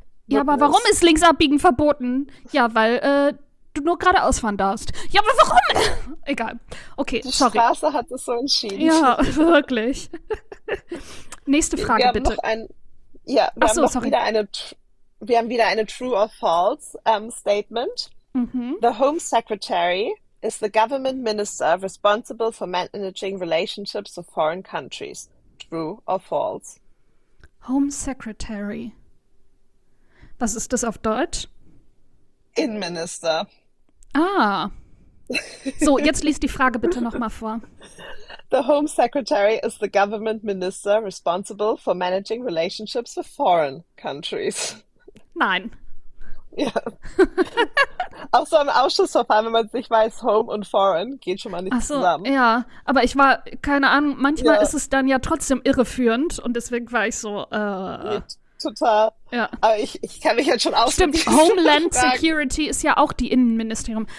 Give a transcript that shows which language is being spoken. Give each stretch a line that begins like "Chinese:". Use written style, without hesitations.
German: Ja, aber warum ist links abbiegen verboten? Ja, weil du nur geradeaus fahren darfst. Ja, aber warum? Egal. Okay, die sorry. Die Straße hat es so entschieden. Ja, wirklich. Nächste Frage, wir haben bitte. Wir haben wieder eine
English: True or False Statement.
German: Mhm.
English: The Home Secretary is the government minister responsible for managing relationships with foreign countries. True or False?
German: Home Secretary. Was ist das auf Deutsch? Innenminister. Ah. So, jetzt liest die Frage bitte nochmal vor.
English: The Home Secretary is the government minister responsible for managing relationships with foreign countries.
German: Nein. Ja. Auch so im Ausschussverfahren, wenn man sich weiß, Home und Foreign geht schon mal nicht zusammen. Ja, aber ich war, keine Ahnung, manchmal ist es dann ja trotzdem irreführend und deswegen war ich so, Total. Ja. Aber ich kann mich jetzt schon aus. Stimmt, Homeland Security ist ja auch die Innenministerium.